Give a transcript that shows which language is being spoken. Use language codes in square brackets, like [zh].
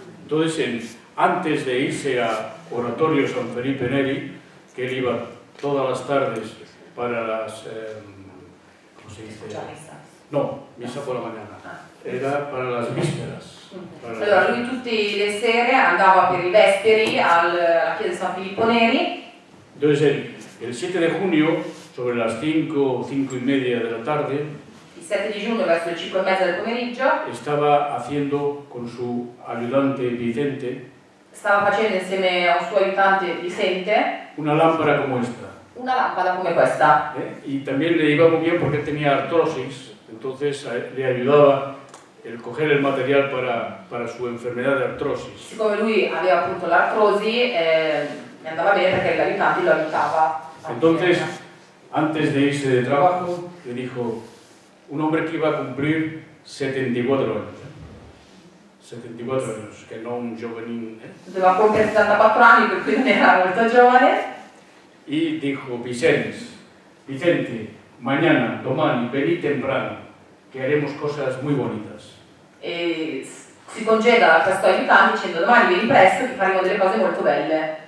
[es] Entonces, antes de irse a Oratorio San Felipe Neri, [it] che [es] iba todas las tardes para las... ¿cómo se dice? No, misa por la mañana. Era para las vísperas. [it] Allora, lui tutte le sere andava per i vesperi alla chiesa San Filippo Neri. [es] Entonces, el 7 de junio, sobre las 5 y media de la tarde, [it] il 7 di giugno verso le 5 e mezza del pomeriggio, stava facendo [es] con su [it] aiutante Vicente, stava facendo insieme a un suo aiutante Vicente, una lampada come questa. Una lampada come questa. [es] E también le iba muy bien porque tenía artrosis, entonces le ayudaba el coger el material para su enfermedad de artrosis. [it] Siccome lui aveva appunto l'artrosi, mi andava bene perché l'aiutante lo aiutava. [es] Entonces, antes de irse de trabajo, le dijo un hombre que iba a cumplir 74 años. 74 años, que no un jovenín. [it] Doveva compiere 74 anni, per cui non era molto giovane. [es] Y dijo Vicente, mañana, [it] domani, [es] vení temprano, que haremos cosas muy bonitas. [it] E si congeda a questo aiutante dicendo domani vieni presto, che faremo delle cose molto belle.